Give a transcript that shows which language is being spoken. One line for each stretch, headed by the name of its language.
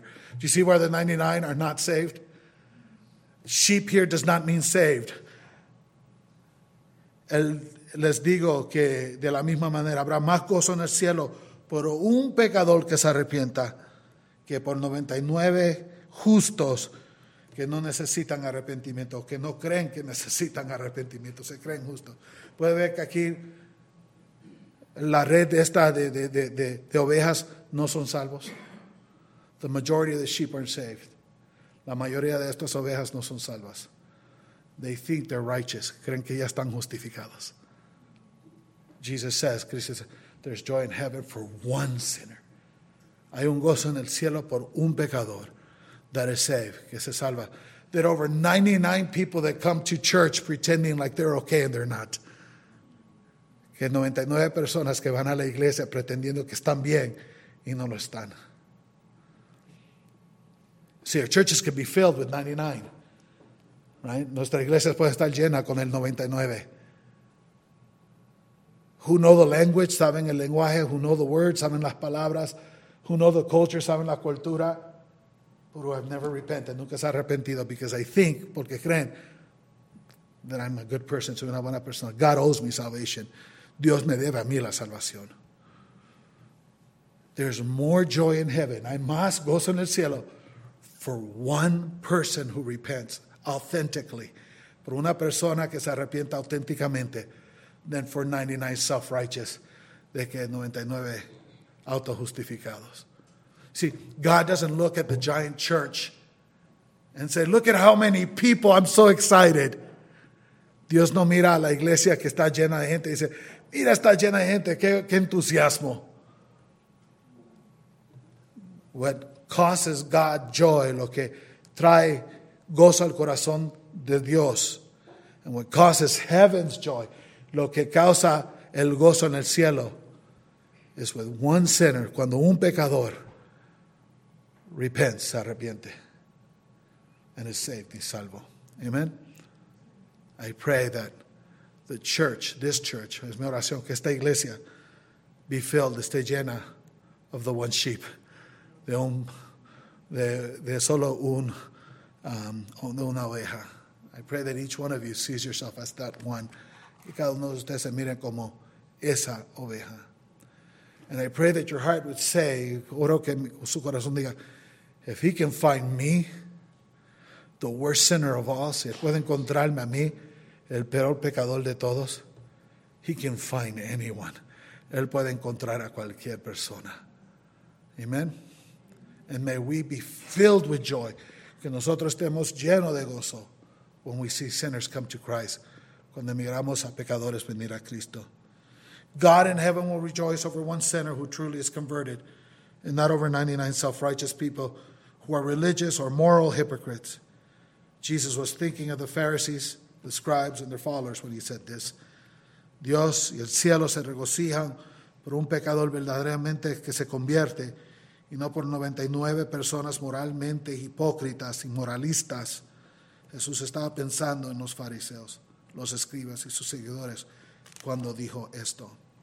English: Do you see where the 99 are not saved? Sheep here does not mean saved.
Spanish: Les digo que de la misma manera habrá más gozo en el cielo por un pecador que se arrepienta que por 99 justos que no necesitan arrepentimiento, que no creen que necesitan arrepentimiento, se creen justos. Puede ver que aquí la red esta de ovejas no son salvos.
English: The majority of the sheep aren't saved.
Spanish: La mayoría de estas ovejas no son salvas.
English: They think they're righteous.
Spanish: Creen que ya están justificados.
English: Jesus says, there's joy in heaven for one sinner.
Spanish: Hay un gozo en el cielo por un pecador
English: that is saved,
Spanish: que se salva.
English: There are over 99 people that come to church pretending like they're okay and they're not.
Spanish: Que 99 personas que van a la iglesia pretendiendo que están bien y no lo están.
English: See, our churches can be filled with 99. Right?
Spanish: Nuestra iglesia puede estar llena con el 99.
English: Who know the language,
Spanish: saben el lenguaje.
English: Who know the words,
Spanish: saben las palabras.
English: Who know the culture,
Spanish: saben la cultura.
English: But who have never repented,
Spanish: nunca se ha arrepentido.
English: Because I think,
Spanish: porque creen,
English: that I'm a good person,
Spanish: soy una buena persona.
English: God owes me salvation.
Spanish: Dios me debe a mí la salvación.
English: There's more joy in heaven.
Spanish: Hay más gozo en el cielo
English: for one person who repents authentically,
Spanish: por una persona que se arrepienta auténticamente,
English: than for 99 self-righteous,
Spanish: de que 99 autojustificados.
English: See, God doesn't look at the giant church and say, look at how many people, I'm so excited.
Spanish: Dios no mira a la iglesia que está llena de gente y dice, mira, está llena de gente, qué entusiasmo.
English: What causes God joy,
Spanish: lo que trae gozo al corazón de Dios.
English: And what causes heaven's joy,
Spanish: lo que causa el gozo en el cielo,
English: is with one sinner,
Spanish: cuando un pecador repents, se arrepiente,
English: and is saved,
Spanish: y salvo. Amen.
English: I pray that the church, this church,
Spanish: es mi oración, que esta iglesia
English: be filled,
Spanish: esté llena
English: of the one sheep,
Spanish: de solo un una oveja.
English: I pray that each one of you sees yourself as that one.
Spanish: Y cada uno de ustedes se mire como esa oveja.
English: And I pray that your heart would say,
Spanish: oro que su corazón diga,
English: if he can find me, the worst sinner of all,
Spanish: si él puede encontrarme a mí, el peor pecador de todos,
English: he can find anyone.
Spanish: Él puede encontrar a cualquier persona.
English: Amen. And may we be filled with joy.
Spanish: Que nosotros estemos llenos de gozo
English: when we see sinners come to Christ,
Spanish: cuando miramos a pecadores venir a Cristo.
English: God in heaven will rejoice over one sinner who truly is converted, and not over 99 self-righteous people who who are religious or moral hypocrites. Jesus was thinking of the Pharisees, the scribes, and their followers when he said this.
Spanish: Dios y el cielo se regocijan por un pecador verdaderamente que se convierte y no por 99 personas moralmente hipócritas y moralistas. Jesús estaba pensando en los fariseos, los escribas y sus seguidores cuando dijo esto.